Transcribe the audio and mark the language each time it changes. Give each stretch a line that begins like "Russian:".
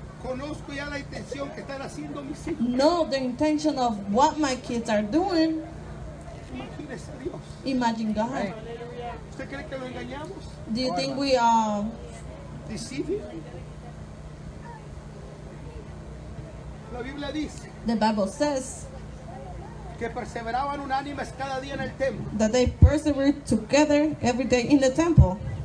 Spanish: Conozco ya la intención que están haciendo mis hijos.
English: Know the intention of what my kids are doing.
Spanish: Imagínese Dios.
English: Imagine God. Hey.
Spanish: ¿Usted cree que lo engañamos?
English: Do you think we are deceiving?
Spanish: La Biblia dice.
English: The Bible says.
Spanish: Que perseveraban unánimes cada día en el templo.
English: That they persevered together every day in the temple.